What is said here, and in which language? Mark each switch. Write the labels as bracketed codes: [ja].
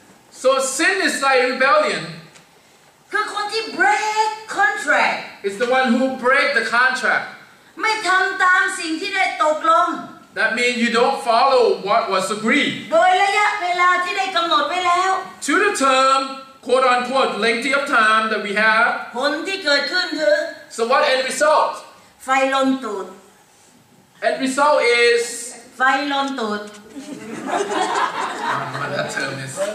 [en] So sin is like rebellion. [th] คือคนที่ [en] break contract is the one who break the contract [th] ไม่ทำตามสิ่งที่ได้ตกลง [en] that means you don't follow what was agreed [th] โดยระยะเวลาที่ได้กำหนดไว้แล้ว [en] to the term quote unquote length of time that we have [th] ผลที่เกิดขึ้นคือ [en] so what end result [th] ไฟลนตูด [en] end result is [th] ไฟลนตูด [en] that term is